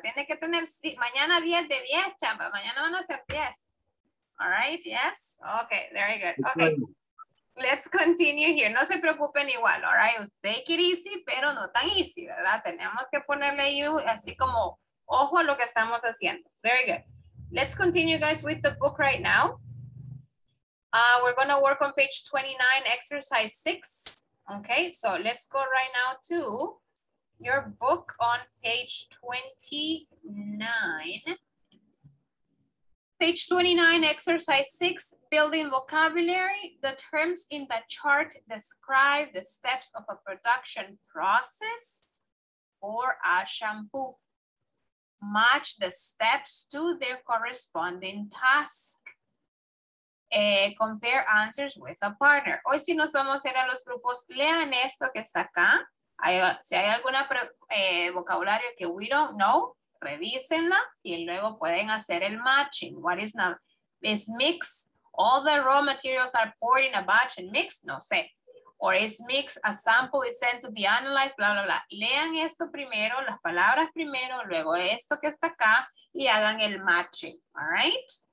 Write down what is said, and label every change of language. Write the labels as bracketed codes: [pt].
[es] Tiene que tener, sí, mañana 10 de 10, Chamba. Mañana van a ser 10. [en] All right, yes. Okay, very good. Okay, let's continue here. [es] No se preocupen igual, [en] all right? Take it easy, [es] pero no tan easy, ¿verdad? Tenemos que ponerle ahí así como ojo a lo que estamos haciendo. [en] Very good. Let's continue, guys, with the book right now. We're going to work on page 29, exercise 6. Okay, so let's go right now to your book on page 29. Page 29, exercise 6, building vocabulary. The terms in the chart describe the steps of a production process for a shampoo. Match the steps to their corresponding task. compare answers with a partner. [es] Hoy sí nos vamos a ir a los grupos. Lean esto que está acá. Si hay alguna vocabulario que [en] we don't know, [es] revísenla y luego pueden hacer el matching. [en] What is now? Is mix? All the raw materials are poured in a batch and mixed? [es] No sé. [en] Or is mixed, a sample is sent to be analyzed, bla, bla, bla. [es] Lean esto primero, las palabras primero, luego esto que está acá y hagan el matching, [en] all right?